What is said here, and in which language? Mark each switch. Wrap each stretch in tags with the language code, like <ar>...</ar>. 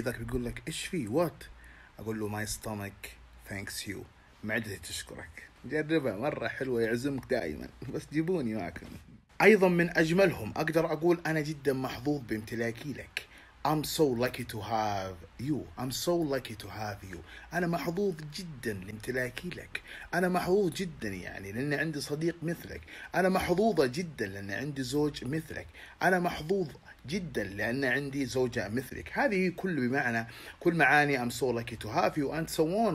<ar>ذاك بيقول لك ايش فيه وات؟ اقول له</ar> <en>my stomach thanks you</en> <ar>معدتي تشكرك. جربها مره حلوه يعزمك دائما بس جيبوني معكم. ايضا من اجملهم اقدر اقول انا جدا محظوظ بامتلاكي لك.</ar> <en>I'm so lucky to have you I'm so lucky to have you.</en> <ar>انا محظوظ جدا لامتلاكي لك، انا محظوظ جدا يعني لان عندي صديق مثلك، انا محظوظه جدا لان عندي زوج مثلك، انا محظوظ جدا لان عندي زوجة مثلك. هذه كل بمعنى كل معاني</ar> <en>I'm so lucky to have you and so on.</en>